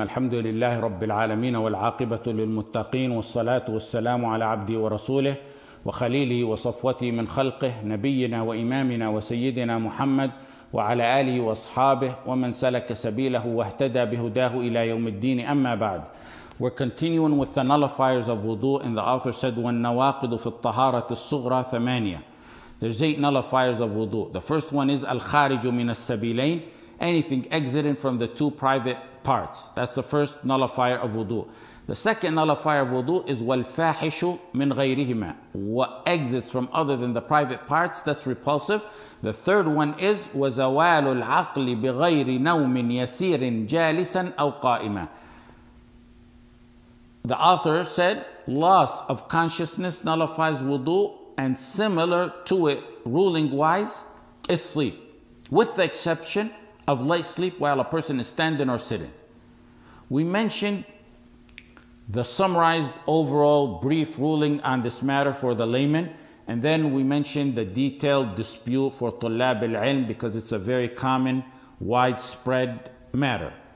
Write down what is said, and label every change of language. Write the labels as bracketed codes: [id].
[ar] الحمد لله رب العالمين والعاقبة للمتقين والصلاة والسلام على عبده ورسوله وخليله وصفوته من خلقه نبينا وإمامنا وسيدنا محمد وعلى آله وأصحابه ومن سلك سبيله واهتدى بهداه إلى يوم الدين. أما بعد, [en] we're continuing with the nullifiers of wudu, and the author said [ar] والنواقض في الطهارة الصغرى ثمانية. [en] There's eight nullifiers of wudu. The first one is [ar] الخارج من السبيلين, [en] anything exiting from the two private parts. That's the first nullifier of wudu. The second nullifier of wudu is [ar] وَالْفَاحِشُ مِنْ غَيْرِهِمَا, [en] what exits from other than the private parts, that's repulsive. The third one is [ar] وَزَوَالُ الْعَقْلِ بِغَيْرِ نَوْمٍ يَسِيرٍ جَالِسًا أَوْ قَائِمًا. [en] The author said loss of consciousness nullifies wudu, and similar to it ruling wise is sleep, with the exception of light sleep while a person is standing or sitting. We mentioned the summarized overall brief ruling on this matter for the layman, and then we mentioned the detailed dispute for [ar] طلاب العلم, [en] because it's a very common, widespread matter.